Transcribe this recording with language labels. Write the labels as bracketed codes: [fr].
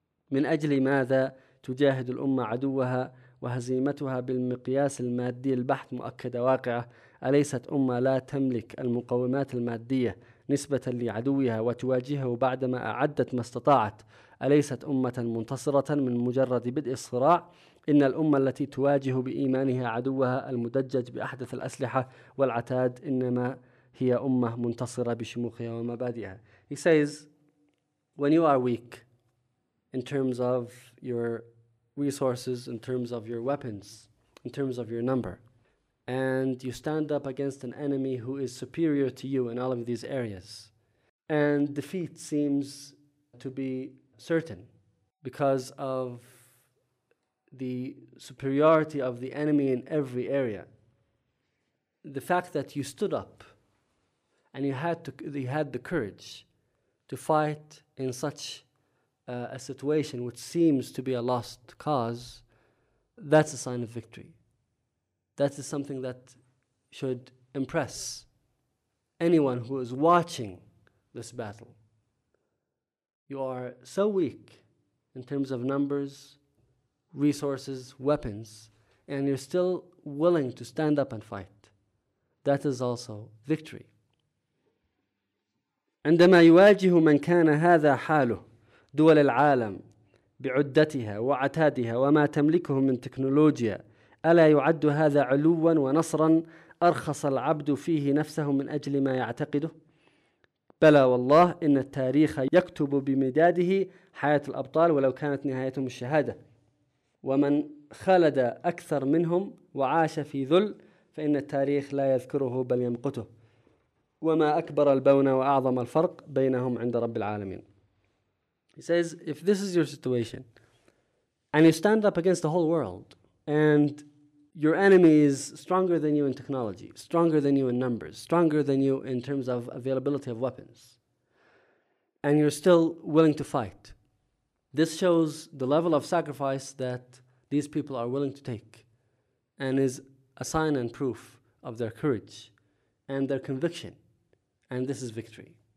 [ar] من أجل ماذا تجاهد الأمة عدوها وهزيمتها بالمقياس المادي البحت مؤكدة واقعة أليست أمة لا تملك المقومات المادية نسبة لعدوها وتواجهه بعدما أعدت ما استطاعت أليست أمة منتصرة من مجرد بدء الصراع إن الأمة التي تواجه بإيمانها عدوها المدجج بأحدث الأسلحة والعتاد إنما هي أمة منتصرة بشموخها ومبادئها. [en] He says, when you are weak in terms of your resources, in terms of your weapons, in terms of your number, and you stand up against an enemy who is superior to you in all of these areas, and defeat seems to be certain because of the superiority of the enemy in every area. The fact that you stood up and you had the courage to fight in such a situation which seems to be a lost cause, that's a sign of victory. That is something that should impress anyone who is watching this battle. You are so weak in terms of numbers, resources, weapons, and you're still willing to stand up and fight. That is also victory. [ar] عندما يواجه من كان هذا حاله دول العالم بعدتها وعتادها وما تملكه من تكنولوجيا ألا يعد هذا علوا ونصرا أرخص العبد فيه نفسه من أجل ما يعتقده؟ بلى والله إن التاريخ يكتب بمداده حياة الأبطال ولو كانت نهايتهم الشهادة ومن خلد أكثر منهم وعاش في ذل فإن التاريخ لا يذكره بل يمقته وما أكبر البون وأعظم الفرق بينهم عند رب العالمين. [en] He says, if this is your situation and you stand up against the whole world and your enemy is stronger than you in technology, stronger than you in numbers, stronger than you in terms of availability of weapons, and you're still willing to fight, this shows the level of sacrifice that these people are willing to take and is a sign and proof of their courage and their conviction. And this is victory.